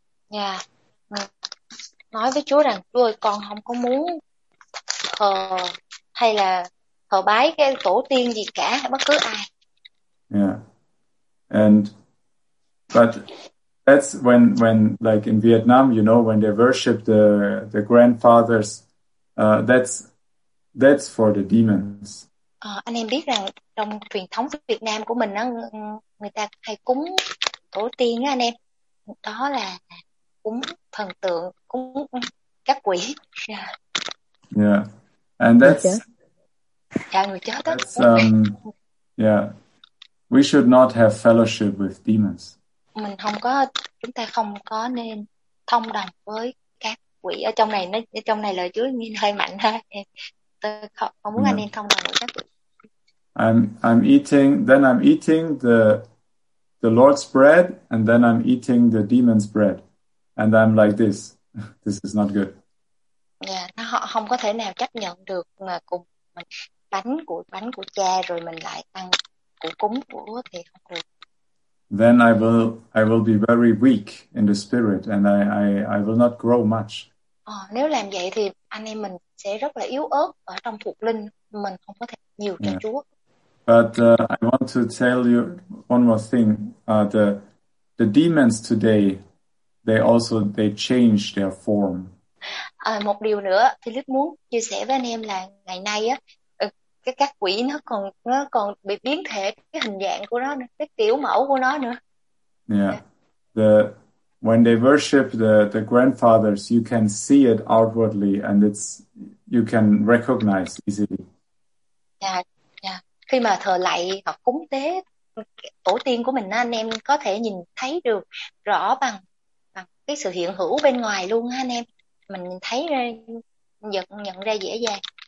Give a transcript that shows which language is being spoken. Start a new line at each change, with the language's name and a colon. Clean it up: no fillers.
Vietnamese: Yeah, nói với Chúa rằng Chúa ơi, con không có muốn thờ hay là thờ bái cái tổ tiên gì cả bất cứ ai.
English: Yeah, but that's when like in Vietnam, you know, when they worship the grandfathers, that's for the demons.
Vietnamese: Anh em biết rằng trong truyền thống Việt Nam của mình á, người ta hay cúng tổ tiên á anh em. Đó là cúng thần tượng, cúng các quỷ.
English: Yeah. And that's
Vietnamese: người chết đó.
English: That's, yeah. We should not have fellowship with demons.
Vietnamese: Mình không có, chúng ta không có nên thông đồng với các quỷ ở trong này. Nó trong này lời Chúa nghe hơi mạnh ha. Tôi không muốn anh em thông đồng với các quỷ.
English: I'm eating the Lord's bread and then I'm eating the demon's bread and I'm like this is not good.
Vietnamese: Yeah, họ không có thể nào chấp nhận được mà cùng mình bánh của cha rồi mình lại ăn của cúng của thì không được.
English: Then I will be very weak in the spirit and I will not grow much.
Vietnamese: Nếu làm vậy thì anh em mình sẽ rất là yếu ớt ở trong thuộc linh, mình không có thể nhiều cho Chúa.
English: But I want to tell you one more thing. The demons today, they change their form.
Vietnamese: Một điều nữa, Philip muốn chia sẻ với anh em là ngày nay á, các quỷ nó còn bị biến thể cái hình dạng của nó, cái kiểu mẫu của nó nữa.
English: Yeah. When they worship the grandfathers, you can see it outwardly, and it's you can recognize easily. Yeah.
Vietnamese: Khi mà thờ lạy hoặc cúng tế tổ tiên của mình, anh em có thể nhìn thấy được rõ bằng cái sự hiện hữu bên ngoài luôn anh em. Mình thấy ra, nhận ra dễ dàng.